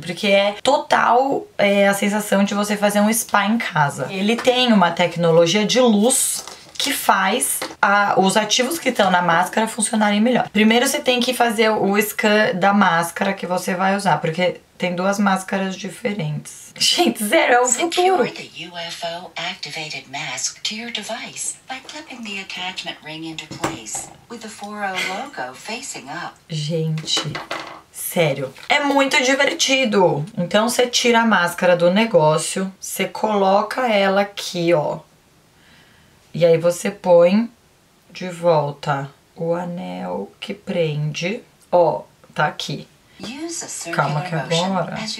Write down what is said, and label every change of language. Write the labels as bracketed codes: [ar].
[pt] Porque é total a sensação de você fazer um spa em casa. Ele tem uma tecnologia de luz que faz os ativos que estão na máscara funcionarem melhor. Primeiro você tem que fazer o scan da máscara que você vai usar, porque tem duas máscaras diferentes. Gente, zero, é o futuro. [en] Secure the UFO activated mask to your device by clipping the attachment ring into place with the 4O logo facing up. [pt] Gente, sério, é muito divertido. Então você tira a máscara do negócio, você coloca ela aqui, ó. E aí você põe de volta o anel que prende. Ó, tá aqui. Calma que agora...